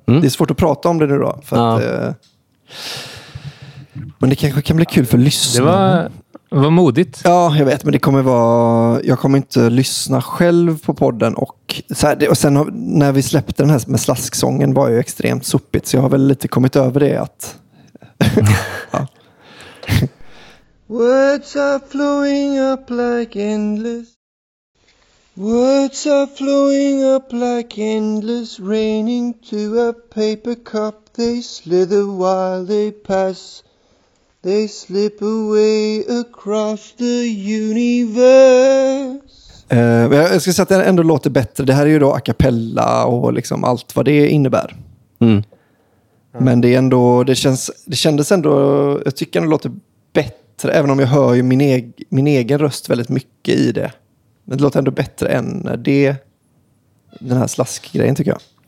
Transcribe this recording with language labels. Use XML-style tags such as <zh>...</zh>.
<sv>Mm. Det är svårt att prata om det nu då. För ja. Att, men det kanske kan bli kul för att lyssna. Det var modigt. Ja, jag vet, men det kommer vara... Jag kommer inte lyssna själv på podden. Och sen när vi släppte den här med slasksången var ju extremt sopigt. Så jag har väl lite kommit över det att...</sv> <en>Words are flowing up like endless... Words are flowing up like endless rain into a paper cup. They slither while they pass... They slip away across the universe.</en> <sv>Jag ska säga att det ändå låter bättre. Det här är ju då a cappella och liksom allt vad det innebär. Mm. Mm. Men det är ändå, det kändes ändå, jag tycker det låter bättre. Även om jag hör ju min egen röst väldigt mycket i det. Men det låter ändå bättre än det, den här slaskgrejen tycker jag.</sv>